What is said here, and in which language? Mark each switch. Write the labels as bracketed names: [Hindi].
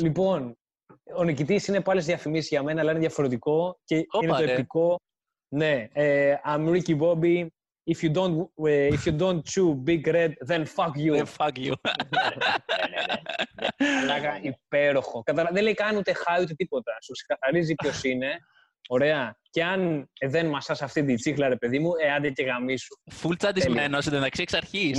[Greek] Λοιπόν, ο νικητής είναι πάλι διαφημίσεις για μένα, αλλά είναι διαφορετικό και είναι το επικό. Ναι, [English] I'm Ricky Bobby, If you don't chew Big Red, then fuck you. Then fuck you. [Greek] Αλλά υπέροχο. Δεν λέει καν ούτε χάει ούτε τίποτα. Σου ξεκαθαρίζει ποιος είναι. Ωραία. Και αν δεν μασάς αυτή την τσίχλα, ρε παιδί μου, άντε και γαμίσου. Φουλ τσαντισμένος, εντάξει, εξ αρχής.